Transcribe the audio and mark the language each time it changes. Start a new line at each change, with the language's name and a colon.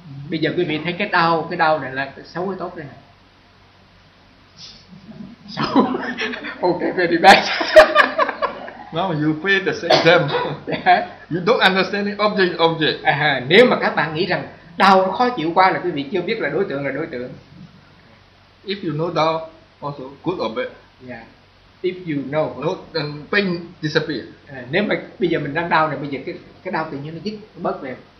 Vietnamese: Bây giờ quý vị thấy cái đau này là xấu hay tốt đây này? Xấu.
English: Ok, very bad. Now you feel the same them. You don't understand the object.
Vietnamese: Nếu mà các bạn nghĩ rằng đau khó chịu qua là quý vị chưa biết là đối tượng.
English: If you know đau, also good or bad. Yeah. If you know. No, then pain disappear.
Vietnamese: Nếu mà bây giờ mình đang đau này, bây giờ cái đau tự nhiên nó dứt, nó bớt liền.